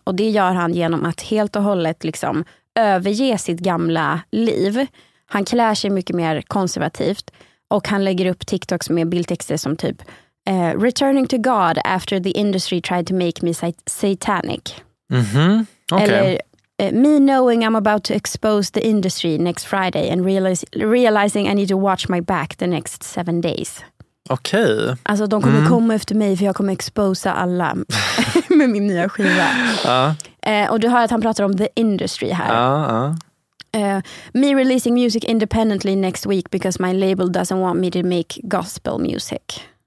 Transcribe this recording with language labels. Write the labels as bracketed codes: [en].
[sv] Och det gör han genom att helt och hållet liksom överge sitt gamla liv. Han klär sig mycket mer konservativt och han lägger upp TikToks med bildtexter som typ [en] Returning to God after the industry tried to make me satanic. Mm-hmm. Okay. Eller Me knowing I'm about to expose the industry next Friday and realizing I need to watch my back the next 7 days. [sv] Okej. [en] Okay. [sv] Alltså de kommer komma efter mig för jag kommer exposa alla med min nya skiva. Och du hör att han pratar om the industry här. [en] Me releasing music independently next week because my label doesn't want me to make gospel music.